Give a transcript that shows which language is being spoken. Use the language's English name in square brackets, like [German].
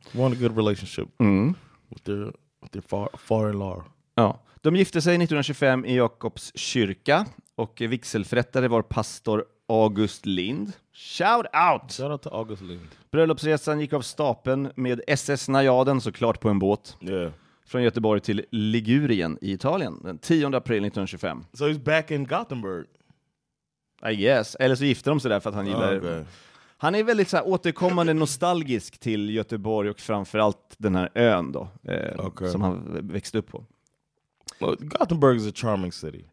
[English] Want a good relationship. Mm. With their father-in-law. [Swedish] Ja. De gifte sig 1925 i Jakobs kyrka, och vigselförrättare var pastor August Lind. [English] Shout out! [Swedish] Shout out till August Lind. Bröllopsresan gick av stapeln med SS Najaden, såklart på en båt. [English] Yeah. [Swedish] Från Göteborg till Ligurien i Italien den 10 april 1925. [English] So he's back in Gothenburg. I guess. [Swedish] Eller så gifte de sig där för att han gillar... [English] Okay. [Swedish] Han är väldigt så här återkommande nostalgisk till Göteborg och framförallt den här ön då. [English] Okay. [Swedish] Som han växte upp på. [English] Well, Gothenburg is a charming city.